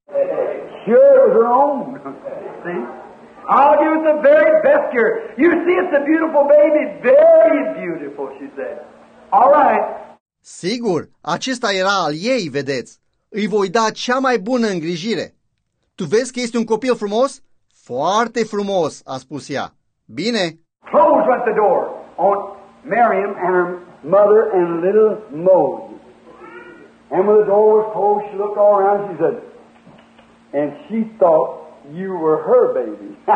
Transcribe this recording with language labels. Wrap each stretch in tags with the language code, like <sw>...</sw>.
<en>Sure, it was her own. See? I'll give it the very best care. You see, it's a beautiful baby. Very beautiful, she said. All right.</en> <ro>Sigur, acesta era al ei, vedeți. Îi voi da cea mai bună îngrijire. Tu vezi că este un copil frumos? Foarte frumos, a spus ea. Bine.</ro> <en>Close at the door on Miriam and her mother and little Moses. And when the door was closed, she looked all around, she said, and she thought you were her baby.</en>